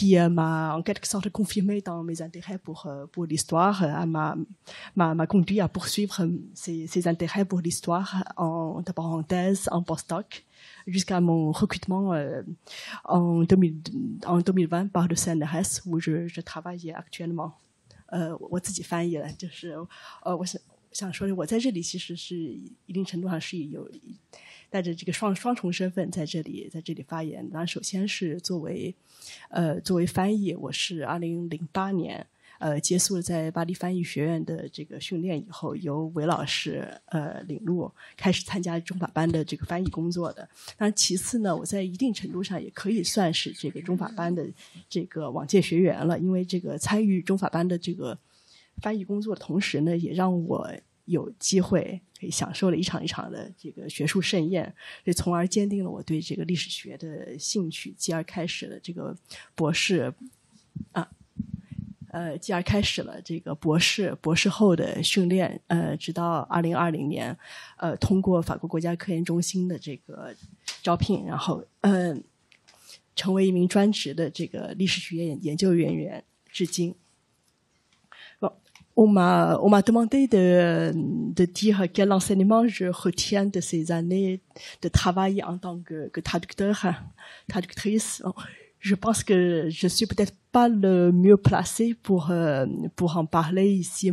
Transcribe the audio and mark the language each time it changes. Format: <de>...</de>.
<fr>m'a en quelque sorte confirmé dans mes intérêts pour l'histoire, m'a conduit à poursuivre ces intérêts pour l'histoire d'abord en thèse, en postdoc, jusqu'à mon recrutement en 2020 par le CNRS où je travaille actuellement.</fr> <zh>我自己翻译了，就是我想说，我在这里其实是一定程度上是有带着这个双重身份在这里发言。那首先是作为翻译，我是2008年结束了在巴黎翻译学院的这个训练以后，由韦老师领路开始参加中法班的这个翻译工作的。那其次呢，我在一定程度上也可以算是这个中法班的这个往届学员了，因为这个参与中法班的这个翻译工作的同时呢，也让我有机会可以享受了一场一场的这个学术盛宴，所以从而坚定了我对这个历史学的兴趣，继而开始了这个博士继而开始了这个博士后的训练，直到2020年，通过法国国家科研中心的这个招聘，然后成为一名专职的这个历史学研究人员，至今。</zh> <fr>On m'a demandé de dire quel enseignement je retiens de ces années de travail en tant que traducteur, traductrice. Je pense que je suis peut-être pas le mieux placé pour en parler ici.</fr>